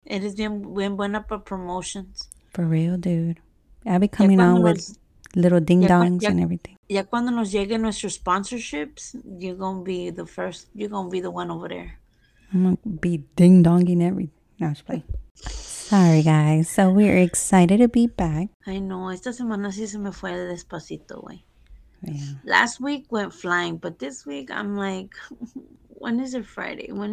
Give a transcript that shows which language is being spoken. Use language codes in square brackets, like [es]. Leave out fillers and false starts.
[en] It is [es] bien buena [en] for promotions. For real, dude. I'll be coming on with little ding-dongs and everything. [es] Ya cuando nos lleguen nuestros [en] sponsorships, you're going to be the first. You're going to be the one over there. I'm going to be ding-donging everything. No, just play. Sorry, guys. So we're excited to be back. I know. [es] Esta semana sí se me fue despacito, güey. [en] Yeah. Last week went flying, but this week I'm like, when is it Friday?